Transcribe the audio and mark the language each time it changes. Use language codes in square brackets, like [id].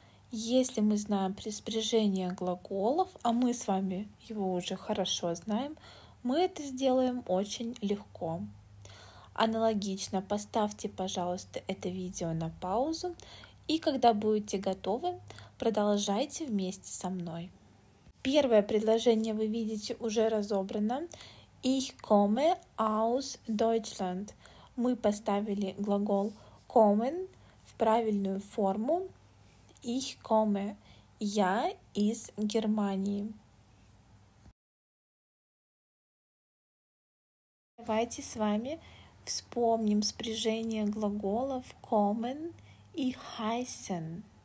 [ru] Если мы знаем приспряжение глаголов, а мы с вами его уже хорошо знаем, мы это сделаем очень легко. Аналогично, поставьте, пожалуйста, это видео на паузу, и когда будете готовы, продолжайте вместе со мной. Первое предложение вы видите уже разобрано. [de] Ich komme aus Deutschland. [ru] Мы поставили глагол kommen в правильную форму. [de] Ich komme. [ru] Я из Германии. Давайте с вами вспомним спряжение глаголов kommen и heißen.